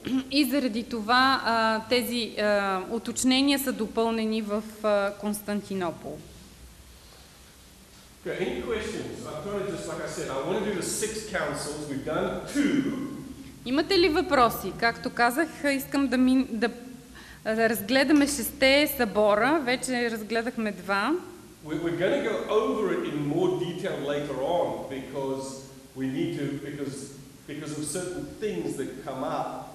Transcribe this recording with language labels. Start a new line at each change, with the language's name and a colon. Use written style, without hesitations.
Bulgarian: И заради това тези уточнения са допълнени в Константинопол.
English: Okay, any questions? I'm trying to, just like I said, I want to do the six councils. We've done two.
Bulgarian: Имате ли въпроси? Както казах, искам да разгледаме шесте събора. Вече разгледахме два.
English: We're going to go over it in more detail later on because we need to because of certain things that come up.